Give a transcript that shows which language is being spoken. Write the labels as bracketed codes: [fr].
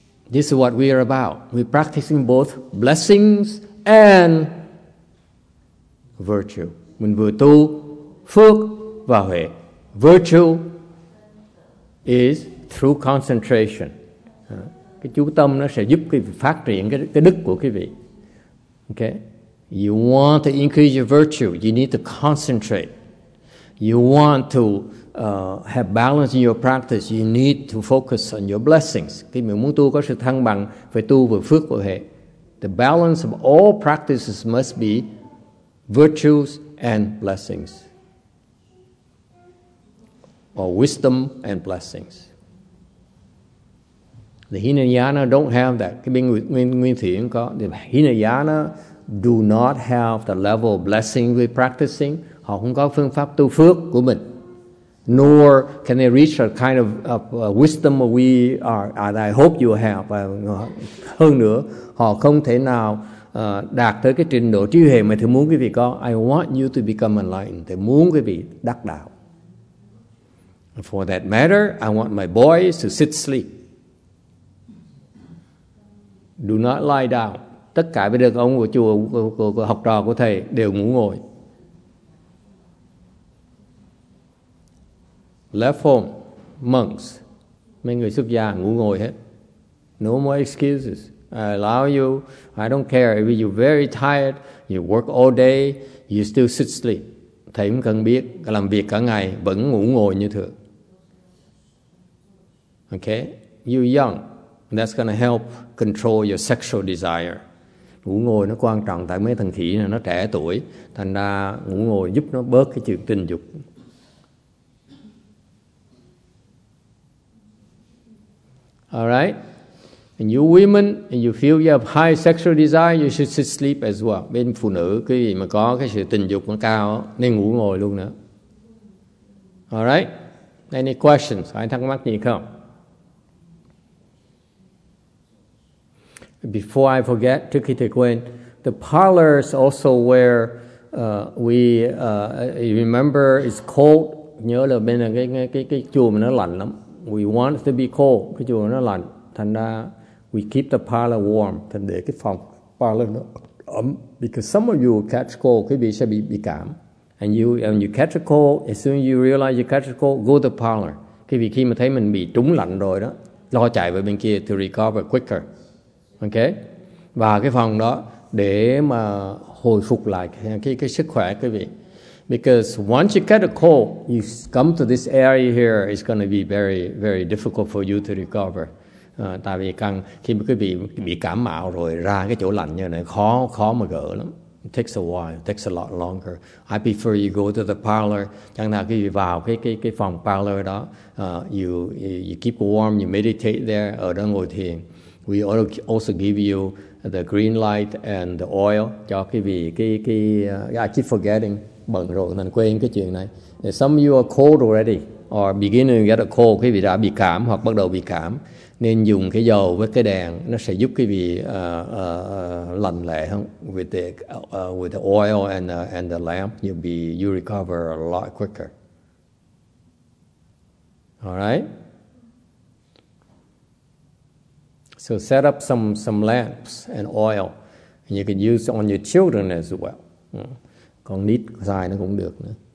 [en] This is what we are about. We're practicing both blessings and virtue. [vi] Mình vừa tu phước và huệ. [en] Virtue is through concentration. [vi] Cái chú tâm nó sẽ giúp quý vị phát triển cái đức của quý vị. [en] Okay? You want to increase your virtue, you need to concentrate. You want to have balance in your practice, you need to focus on your blessings. [vi] Khi mình muốn tu có sự thăng bằng, phải tu vừa phước vừa huệ. [en] The balance of all practices must be virtues and blessings. Or wisdom and blessings. The Hinayana don't have that. [vi] Cái bên Nguyên Thủy cũng có. [en] The Hinayana do not have the level of blessing we're practicing. [vi] Họ không có phương pháp tu phước của mình. [en] Nor can they reach a kind of wisdom we are, and I hope you have. [vi] Hơn nữa, họ không thể nào đạt tới cái trình độ trí huệ mà thầy muốn quý vị có. [en] I want you to become enlightened. [vi] Thầy muốn quý vị đắc đạo. [en] For that matter, I want my boys to sit sleep. Do not lie down. [vi] Tất cả với đàn ông của chùa, của học trò của thầy đều ngủ ngồi. [en] Left home, monks, [vi] mấy người xuất gia ngủ ngồi hết. [en] No more excuses. I allow you, I don't care. If you're very tired, you work all day, you still sit sleep. [vi] Thầy cũng cần biết, làm việc cả ngày, vẫn ngủ ngồi như thường. [en] Okay? You're young. That's going to help control your sexual desire. [vi] Ngủ ngồi nó quan trọng, tại mấy thằng khỉ này nó trẻ tuổi. Thành ra ngủ ngồi giúp nó bớt cái chuyện tình dục. [en] Alright, and you women, and you feel you have high sexual desire, you should sit sleep as well. [vi] Bên phụ nữ, quý vị mà có cái sự tình dục nó cao, nên ngủ ngồi luôn nữa. [en] Alright, any questions? [vi] Ai thắc mắc gì không? [en] Before I forget, [vi] trước khi thầy quên, [en] the parlors also where we remember it's called [vi] nhớ là bên là cái chùa mà nó lạnh lắm. [en] We want to be cold, [vi] cái chùa nó lạnh. Thành ra [en] we keep the parlor warm, [vi] thành để cái phòng parlor nó ấm. [en] Because some of you catch cold, [vi] quý vị sẽ bị cảm. [en] And you catch a cold, as soon as you realize you catch a cold, go to the parlor. [vi] Quý vị khi mà thấy mình bị trúng lạnh rồi đó, lo chạy về bên kia [en] to recover quicker. Okay? [vi] Và cái phòng đó để mà hồi phục lại cái sức khỏe quý vị. [en] Because once you get a cold, you come to this area here, it's going to be very, very difficult for you to recover. [vi] Tại vì càng khi quý vị bị cảm mạo rồi ra cái chỗ lạnh như này, khó mà gỡ lắm. [en] It takes a while, it takes a lot longer. I prefer you go to the parlor. [vi] Chẳng hạn quý vị vào cái phòng parlor đó, [en] you keep warm, you meditate there, [vi] ở đó ngồi thiền. [en] We also give you the green light and the oil [vi] cho quý vị [en] I keep forgetting. [vi] Bận rộn nên quên cái chuyện này. [en] Some of you are cold already or beginning to get a cold, [vi] quý vị đã bị cảm hoặc bắt đầu bị cảm, nên dùng cái dầu với cái đèn nó sẽ giúp quý vị lành lẹ hơn. [en] With the oil and the lamp, you recover a lot quicker. All right. So set up some lamps and oil, and you can use on your children as well. [vi] Còn nít dài nó cũng được nữa.